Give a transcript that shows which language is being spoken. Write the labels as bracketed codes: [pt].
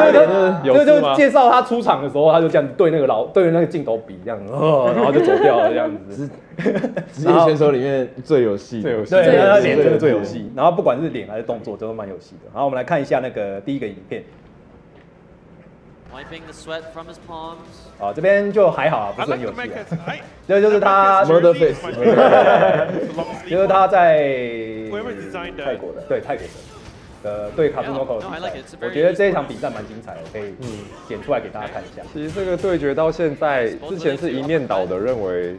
[zh] 对对对，就介绍他出场的时候，他就这样对那个老对那个镜头比这样，然后就走掉了这样子。职业选手里面最有戏，对，他脸真的最有戏。然后不管是脸还是动作，都蛮有戏的。好，我们来看一下那个第一个影片。 [en] Wiping the sweat from his palms。 [zh] 啊，这边就还好啊，不是很有戏、啊。这就是他 Murder Face，就是他在泰国的，对泰国的。对卡布诺克的比赛，我觉得这一场比赛蛮精彩的，可以剪出来给大家看一下。其实这个对决到现在，之前是一面倒的认为